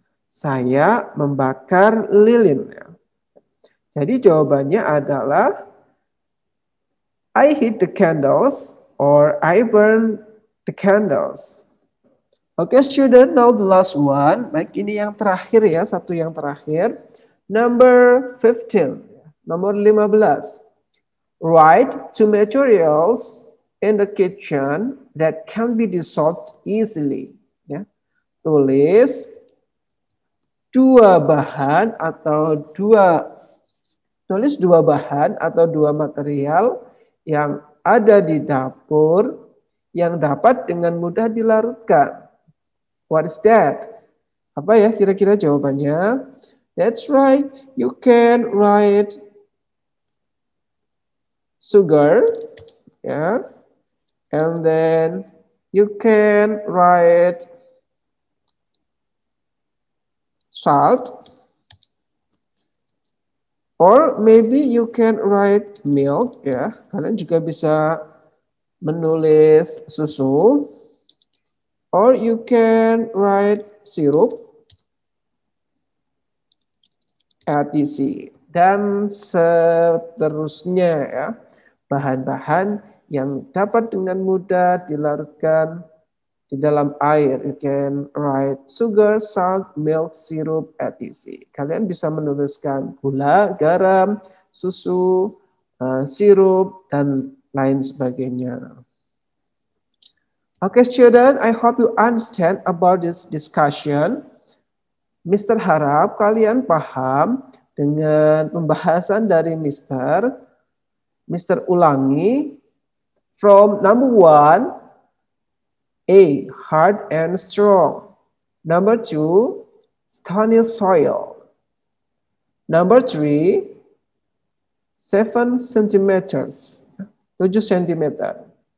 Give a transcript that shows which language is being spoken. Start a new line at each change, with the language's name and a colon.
Indonesian: Saya membakar lilin. Ya. Jadi jawabannya adalah
English: I heat the candles or I burn the candles. Okay, student, now the last one.
Indonesian: Baik, ini yang terakhir ya, satu yang terakhir.
English: Number 15,
Indonesian: nomor 15.
English: Write two materials in the kitchen that can be dissolved easily. Ya.
Indonesian: Tulis dua bahan atau dua material yang ada di dapur yang dapat dengan mudah dilarutkan.
English: What is that?
Indonesian: Apa ya kira-kira jawabannya?
English: That's right. You can write sugar, yeah, and then you can write salt, or maybe you can write milk, yeah.
Indonesian: Kalian juga bisa menulis susu,
English: or you can write sirup, etc.
Indonesian: Dan seterusnya, ya. Bahan-bahan yang dapat dengan mudah dilarutkan di dalam air.
English: You can write sugar, salt, milk, syrup, etc.
Indonesian: Kalian bisa menuliskan gula, garam, susu, sirup, dan lain sebagainya.
English: Okay, student, I hope you understand about this discussion.
Indonesian: Mister harap kalian paham dengan pembahasan dari Mister. Mr. Ulangi,
English: from number one, A, hard and strong. Number two, stony soil. Number three, 7 centimeters, 7 centimeter.